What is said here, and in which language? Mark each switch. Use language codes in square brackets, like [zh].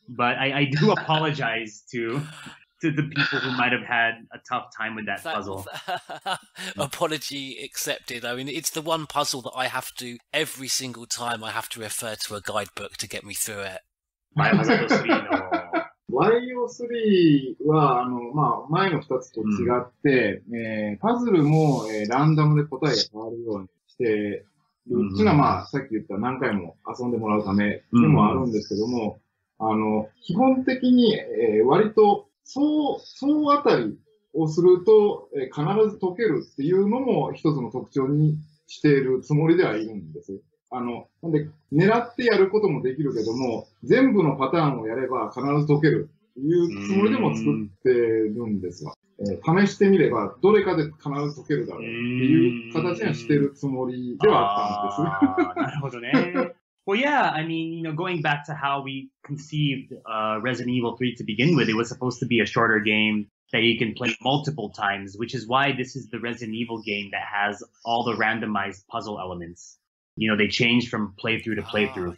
[en] But I do apologize to the people who might have had a tough time with that puzzle. Apology accepted. I mean, it's the one puzzle that I have to, every single time, I have to refer to a guidebook to get me through it. [ja] Bio 3は、あの、まあ、前の2つと違って、パズルも、ランダムで答えが変わるようにしてるっていうのは、まあ、さっき言った何回も遊んでもらうためでもあるんですけども、あの、基本的に、割と、そうあたりをすると、必ず解けるっていうのも一つの特徴にしているつもりではいるんです。あの、なんで、狙ってやることもできるけども、全部のパターンをやれば必ず解けるっていうつもりでも作ってるんですわ。試してみれば、どれかで必ず解けるだろうっていう形にはしてるつもりではあったんです。なるほどね。 [en] Well, yeah, I mean, you know, going back to how we conceived Resident Evil 3 to begin with, it was supposed to be a shorter game that you can play multiple times, which is why this is the Resident Evil game that has all the randomized puzzle elements. You know, they change from playthrough to playthrough.